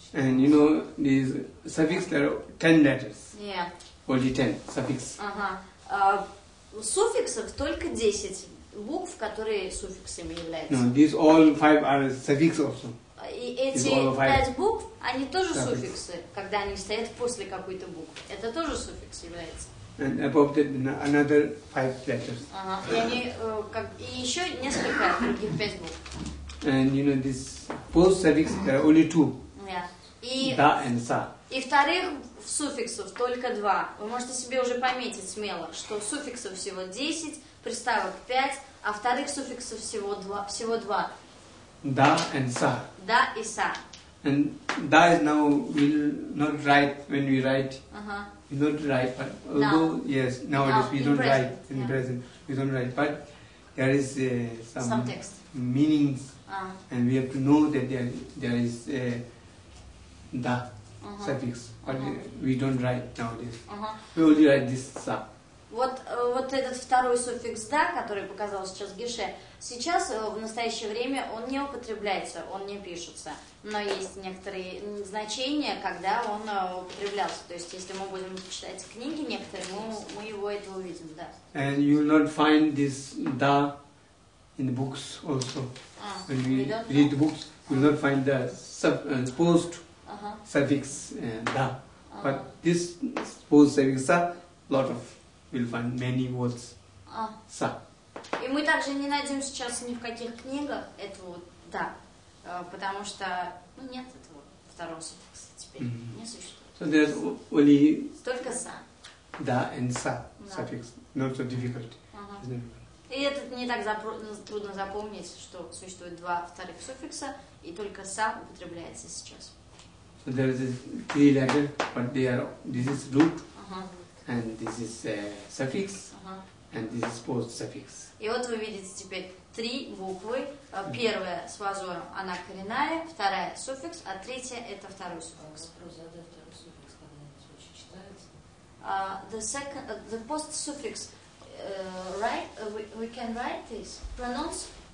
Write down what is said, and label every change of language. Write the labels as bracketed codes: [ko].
[en] And you know these suffix there are 10 letters. Yeah. Only 10 suffix. Uh-huh. [ru] Суффиксов только 10 букв, которые суффиксами являются. [en] No, these all 5 are suffix also. [ru] И эти 5 букв, они тоже suffix. Суффиксы, когда они стоят после какой-то буквы. Это тоже суффикс является. [en] And above that, another 5 letters. [ru] И еще несколько других 5 букв. [en] And you know, this post suffix, there are only 2. Yeah. Da and sa. [ru] И вторых суффиксов только 2. Вы можете себе уже пометить смело, что суффиксов всего 10, приставок 5, а вторых суффиксов всего 2. Всего 2. [en] Da and sa. [ru] Da и sa. [en] And da is now, we'll not write when we write. Uh-huh. You don't write, but although, no. Yes, nowadays no, we don't present. Write in yeah. Present, we don't write, but there is some text. Meanings, and we have to know that there is a da uh-huh. suffix, but uh-huh. we don't write nowadays. Uh-huh. We only write this sa. [ru] Вот этот второй суффикс «да», который показал сейчас Геше, сейчас, в настоящее время, он не употребляется, он не пишется. Но есть некоторые значения, когда он употреблялся. То есть, если мы будем читать книги некоторые, мы его это увидим, да. [en] And you will not find this «да» in the books also. When we read the books, you will not find the supposed suffix «да». Uh-huh. But this supposed suffix «са» – lot of. We'll find many words. Sa. [ru] И мы также не найдем сейчас ни в каких книгах этого да, потому что нет этого второго суффикса теперь не существует. [en] So there's only [ru] только sa. [en] Да and sa suffix. Not so difficult. [ru] И это не так трудно запомнить, что существует два вторых суффикса и только sa употребляется сейчас. [en] So there is three letters, but they are this is root. And this is a suffix, and this is post suffix. [ru] И вот вы видите теперь три буквы. Первая с вазором, она коренная. Вторая суффикс, а третья это второй суффикс. Вопрос задать второй суффикс, когда это очень читается. [en] The second, the post suffix, write. We can write this. Pronounce.